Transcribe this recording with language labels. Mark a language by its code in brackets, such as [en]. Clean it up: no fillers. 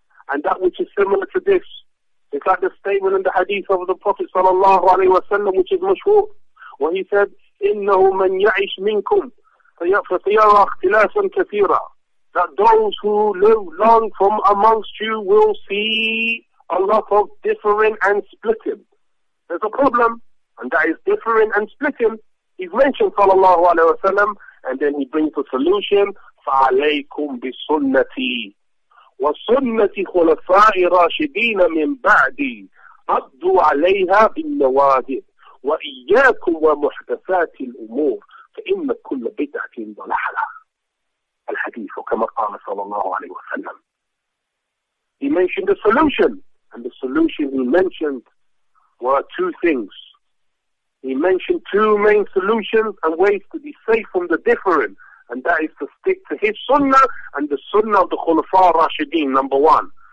[en] And that which is similar to this, it's like the statement in the hadith of the Prophet sallallahu alayhi wa sallam, which is mashhur, where he said, [ar] إِنَّهُ مَنْ يَعِشْ مِنْكُمْ فَيَرَى اخْتِلَافًا كَثِيرًا, [en] that those who live long from amongst you will see a lot of differing and splitting. There's a problem, and that is differing and splitting. He's mentioned sallallahu alayhi wa sallam, and then he brings the solution, [ar] فَعَلَيْكُمْ بِسُنَّتِي وَسُنَّتِ خُلَفَاءِ رَاشِدِينَ مِنْ بَعْدِي أَبْدُوا عَلَيْهَا بِالنَّوَادِرِ وَإِيَّاكُمْ وَمُحْدَثَاتِ الْأُمُورِ فَإِنَّ كُلَّ بِدْعَةٍ ضَلَالَةٌ. الحديث كما قال صلى الله عليه وسلم. [en] He mentioned the solution, and the solution he mentioned were two things. He mentioned two main solutions and ways to be safe from the differing, and that is to stick to his sunnah and the sunnah of the Khulafa Rashidin, number one.